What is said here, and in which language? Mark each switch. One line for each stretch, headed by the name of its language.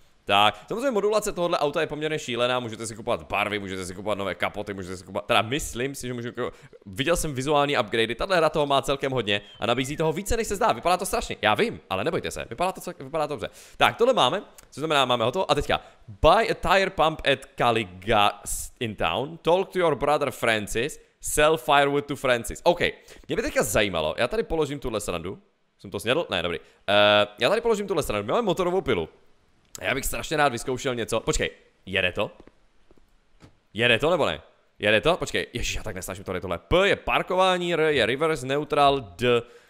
Czech: Tak, samozřejmě modulace tohohle auta je poměrně šílená, můžete si kupovat barvy, můžete si kupovat nové kapoty, můžete si kupovat. Teda myslím si, že můžu. Viděl jsem vizuální upgrady, tahle hra toho má celkem hodně a nabízí toho více, než se zdá. Vypadá to strašně. Já vím, ale nebojte se, vypadá to dobře. Tak, tohle máme, co znamená, máme hotovo. A teďka,
English: buy a tire pump at Caliga in town, talk to your brother Francis, sell firewood to Francis.
Czech: OK, mě by teďka zajímalo, já tady položím tuhle srandu, jsem to snědl? Ne, dobrý. Já tady položím tuhle srandu, máme motorovou pilu. Já bych strašně rád vyzkoušel něco. Počkej, jede to? Jede to nebo ne? Jede to? Počkej, ježiš, já tak nesnažím tohle, tohle. P je parkování, R je reverse, neutral, D.